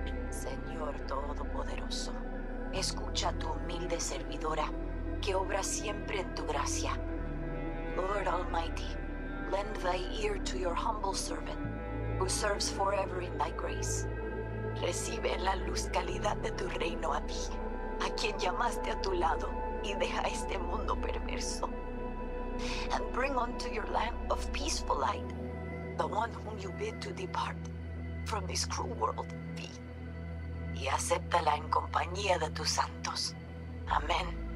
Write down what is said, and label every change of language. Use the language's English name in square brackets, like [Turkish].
[Spanish] Señor Todopoderoso, escucha tu humilde servidora, que obra siempre en tu gracia. [English] Lord Almighty, lend thy ear to your humble servant, who serves forever in thy grace. [Spanish] Recibe la luz calidad de tu reino a ti, a quien llamaste a tu lado, y deja este mundo perverso. [English] And bring unto your lamp of peaceful light the one whom you bid to depart from this cruel world, V. [Spanish] Y acéptala en compañía de tus santos. Amén.